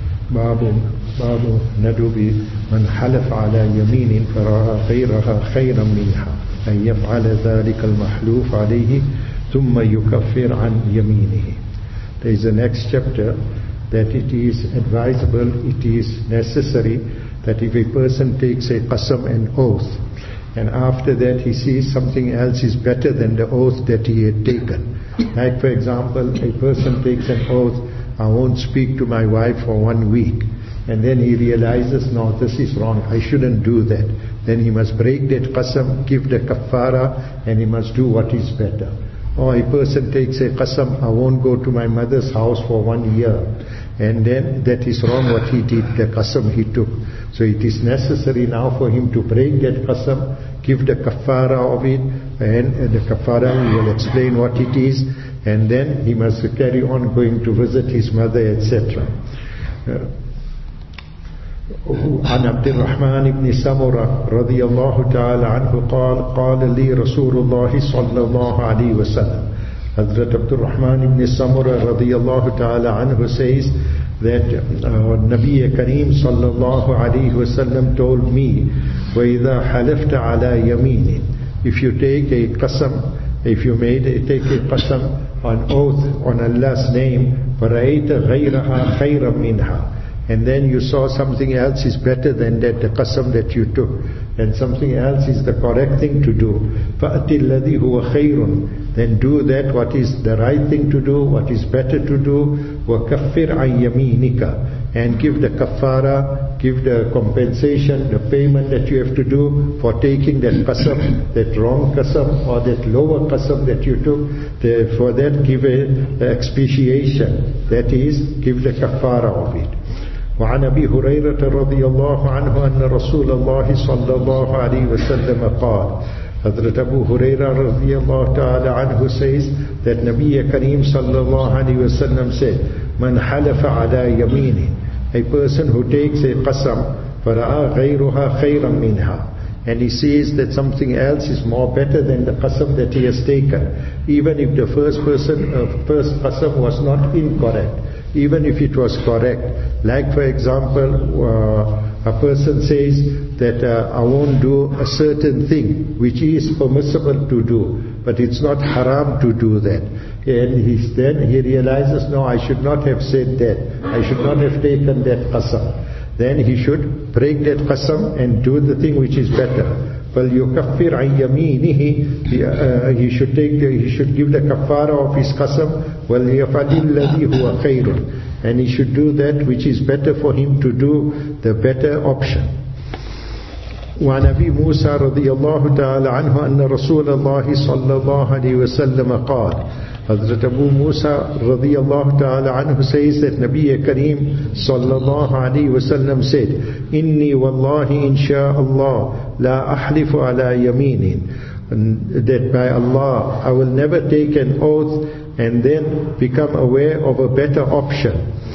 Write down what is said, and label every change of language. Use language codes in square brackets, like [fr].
[ar] باب ندب من حلف على يمين فرأى غيرها خيرا منها أن يفعل ذلك المحلوف عليه ثم يكفر عن يمينه. [en] There is the next chapter that it is advisable, it is necessary that if a person takes a qasam, an oath, and after that he sees something else is better than the oath that he had taken. Like for example, a person takes an oath, I won't speak to my wife for 1 week. And then he realizes, no, this is wrong, I shouldn't do that. Then he must break that qasam, give the kafara, and he must do what is better. Or a person takes a qasam, I won't go to my mother's house for 1 year. And then that is wrong what he did, the qasam he took. So it is necessary now for him to break that qasam, give the kafara of it, and the kafara will explain what it is, and then he must carry on going to visit his mother, etc. [ar] عن عبد الرحمن بن سمرة رضي الله تعالى عنه قال قال لي رسول الله صلى الله عليه وسلم. [en] حضرت عبد الرحمن بن سمرة رضي الله تعالى عنه says that نبي كريم صلى الله عليه وسلم told me, [ar] وإذا حلفت على يمين, [en] if you take a قسم, if you made take a قسم on oath on Allah's name, [ar] فرأيت غيرها خيرا منها, [en] and then you saw something else is better than that, the qasam that you took, and something else is the correct thing to do, [ar] فَأْتِ الَّذِي هُوَ خَيْرٌ, [en] then do that what is the right thing to do, what is better to do, [ar] وَكَفِّرْ عَنْ يَمِينِكَ, [en] and give the kafara, give the compensation, the payment that you have to do for taking that qasam, that wrong qasam, or that lower qasam that you took, for that give an expiation, that is, give the kafara of it. [ar] وعن أبي هريرة رضي الله عنه أن رسول الله صلى الله عليه وسلم قال. [en] حضرت أبو هريرة رضي الله تعالى عنه says that نبي كريم صلى الله عليه وسلم said, [ar] من حلف على يمينه, [en] a person who takes a قسم [ar] فرأى غيرها خيرا منها, [en] and he sees that something else is more better than the qasam that he has taken, even if the first qasam was not incorrect, even if it was correct. Like for example, a person says that I won't do a certain thing which is permissible to do, but it's not haram to do that. And then he realizes, no, I should not have said that. I should not have taken that qasam. Then he should break that qasam and do the thing which is better. Well, [ar] يُكَفِّرْ عَنْ يَمِينِهِ, [en] he should give the kafara of his qasam. Well, [ar] يَفَدِ الَّذِي هُوَ خَيْرٌ, [en] and he should do that which is better for him to do, the better option. [ar] وعن أبي موسى رضي الله تعالى عنه أن رسول الله صلى الله عليه وسلم قال. [en] Hazrat Abu Musa radiyallahu ta'ala anhu says that Nabiya Kareem sallallahu alayhi wa sallam said, [ar] inni wallahi insha'Allah la ahlifu ala yameenin, [en] that by Allah I will never take an oath and then become aware of a better option.